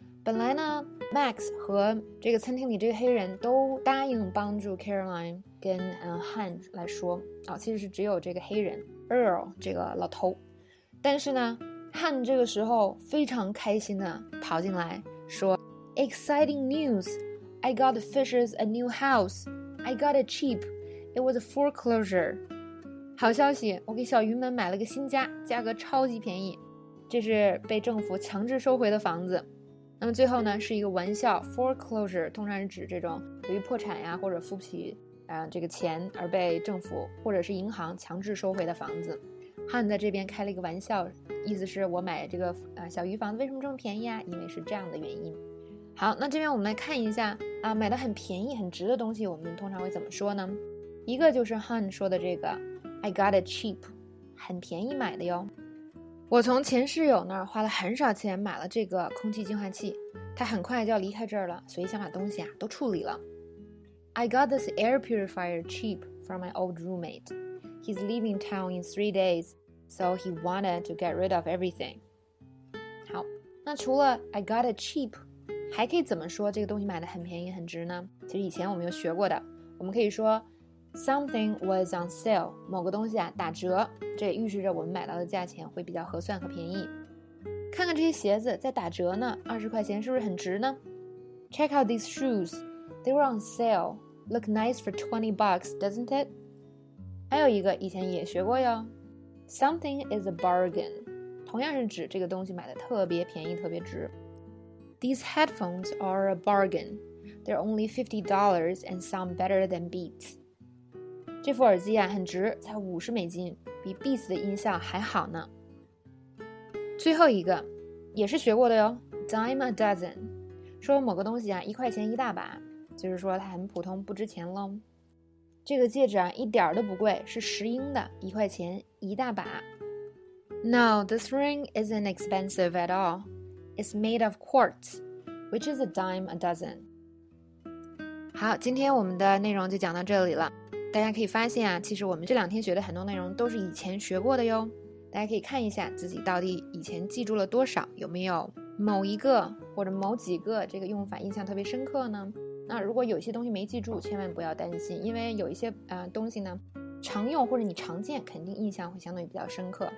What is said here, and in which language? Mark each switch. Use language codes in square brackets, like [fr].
[zh] 本来呢 ，Max 和这个餐厅里这个黑人都答应帮助 Caroline 跟Han 来说啊、哦，其实是只有这个黑人 Earl 这个老头。但是呢 ，Han 这个时候非常开心的跑进来说 ， [en] Exciting news! I got the Fishers a new house. I got it cheap. It was a foreclosure. [zh] 好消息，我给小鱼们买了个新家，价格超级便宜，这是被政府强制收回的房子。那么最后呢，是一个玩笑 foreclosure 通常是指这种由于破产呀或者付不起这个钱而被政府或者是银行强制收回的房子。汉在这边开了一个玩笑，意思是我买这个小鱼房子为什么这么便宜啊，因为是这样的原因。好，那这边我们来看一下啊，买的很便宜很值的东西我们通常会怎么说呢？一个就是汉说的这个 [en] I got it cheap， [zh] 很便宜买的哟。我从前室友那儿花了很少钱买了这个空气净化器，他很快就要离开这儿了，所以想把东西啊都处理了。 [en] I got this air purifier cheap from my old roommate. He's leaving town in 3 days, so he wanted to get rid of everything. [zh] 好，那除了 [en] I got it cheap， [zh] 还可以怎么说这个东西买的很便宜很值呢？其实以前我们有学过的，我们可以说。 [en] Something was on sale. [zh] 某个东西啊打折，这预示着我们买到的价钱会比较合算和便宜。看看这些鞋子在打折呢，20块钱是不是很值呢 ？ [en] Check out these shoes. They were on sale. Look nice for $20, doesn't it? [zh] 还有一个以前也学过哟。 [en] Something is a bargain. [zh] 同样是指这个东西买的特别便宜，特别值。 [en] These headphones are a bargain. They're only $50 and sound better than Beats. [zh] 这副耳机啊很值，才$50，比 Beats 的音效还好呢。最后一个也是学过的哟 ， [en] dime a dozen， [zh] 说某个东西啊1块钱一大把，就是说它很普通不值钱喽。这个戒指啊一点都不贵，是10英的，1块钱一大把。 [en] No, this ring isn't expensive at all. It's made of quartz, which is a dime a dozen. [zh] 好，今天我们的内容就讲到这里了。大家可以发现啊，其实我们这两天学的很多内容都是以前学过的哟。大家可以看一下自己到底以前记住了多少，有没有某一个或者某几个这个用法印象特别深刻呢？那如果有些东西没记住，千万不要担心，因为有一些东西呢，常用或者你常见，肯定印象会相对比较深刻。